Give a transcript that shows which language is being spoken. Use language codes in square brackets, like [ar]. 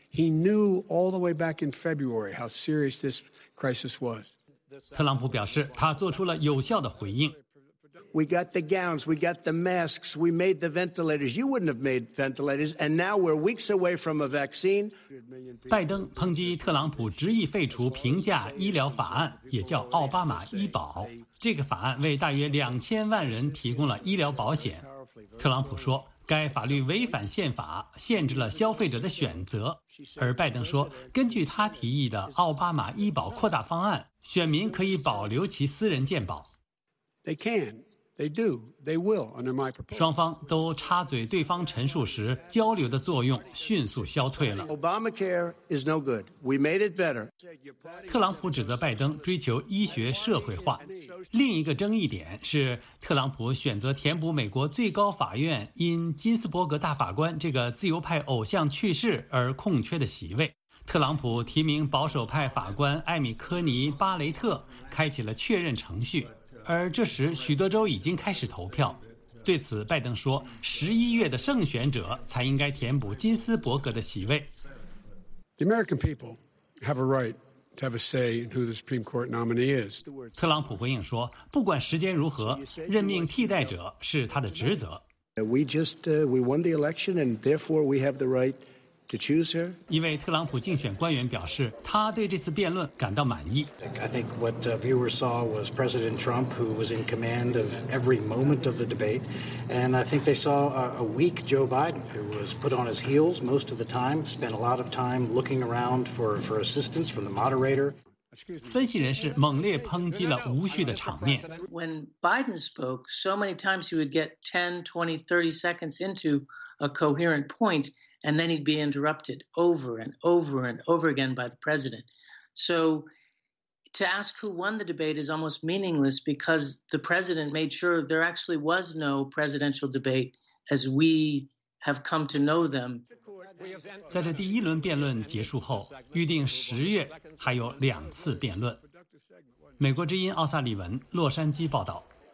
[en] He knew all the way back in February how serious this crisis was. [zh] 特朗普表示，他做出了有效的回应。 [en] We got the gowns, we got the masks, we made the ventilators. You wouldn't have made ventilators, and now we're weeks away from a vaccine. [zh] 拜登抨击特朗普执意废除平价医疗法案，也叫奥巴马医保。这个法案为大约2000万人提供了医疗保险。特朗普说，该法律违反宪法，限制了消费者的选择。而拜登说，根据他提议的奥巴马医保扩大方案，选民可以保留其私人健保。 [en] They can, they do, they will under my proposal. [zh] 双方都插嘴对方陈述时，交流的作用迅速消退了。 [en] Obamacare is no good. We made it better. [zh] 特朗普指责拜登追求医学社会化。另一个争议点是，特朗普选择填补美国最高法院因金斯伯格大法官这个自由派偶像去世而空缺的席位。特朗普提名保守派法官艾米科尼巴雷特，开启了确认程序。而这时许多州已经开始投票，对此拜登说，11月的胜选者才应该填补金斯伯格的席位。 [en] The American people have a right to have a say in who the Supreme Court nominee is. [zh] 特朗普回应说，不管时间如何，任命替代者是他的职责。 [en] We won the election and therefore we have the right to choose her. [zh] 一位特朗普竞选官员表示，他对这次辩论感到满意。 [en] I think what viewers saw was President Trump, who was in command of every moment of the debate, and I think they saw a weak Joe Biden, who was put on his heels most of the time, spent a lot of time looking around for assistance from the moderator. [zh] 分析人士猛烈抨击了无序的场面。 [en] When Biden spoke, so many times he would get 10, 20, 30 seconds into a coherent point. And then he'd be interrupted over and over and over again by the president. So to ask who won the debate is almost meaningless because the president made sure there actually was no presidential debate as we have come to know them. [zh] 在这第一轮辩论结束后，预定10月还有2次辩论。美国之音奥萨利文，洛杉矶报道。